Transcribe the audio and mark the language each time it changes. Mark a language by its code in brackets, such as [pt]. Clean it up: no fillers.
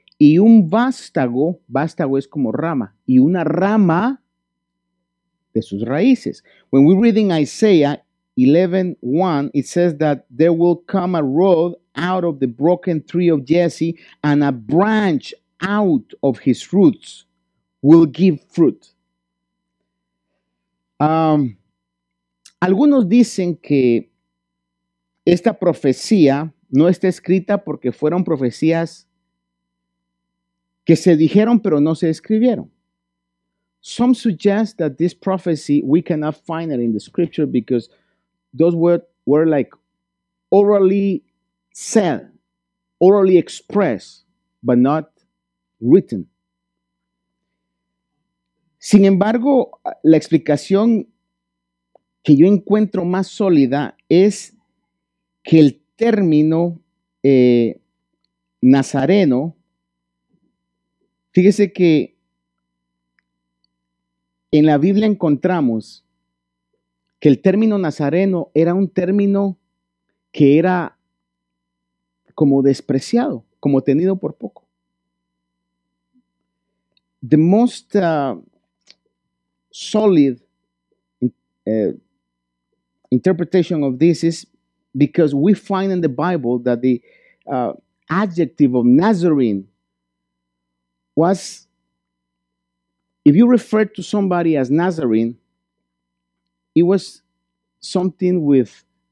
[es] y un vástago, vástago es como rama, y una rama de sus raíces. [en] When we read in Isaiah 11:1, it says that there will come a rod out of the broken tree of Jesse, and a branch out of his roots will give fruit. [es] Algunos dicen que esta profecía no está escrita porque fueron profecías que se dijeron pero no se escribieron. [en] Some suggest that this prophecy, we cannot find it in the scripture because those words were like orally said, orally expressed, but not written. [es] Sin embargo, la explicación que yo encuentro más sólida es que el término nazareno, fíjese que en la Biblia encontramos que el término nazareno era un término que era como despreciado, como tenido por poco. [en] The most solid interpretation of this is because we find in the Bible that the adjective of Nazarene was, if you refer to somebody as Nazarene, it was something with,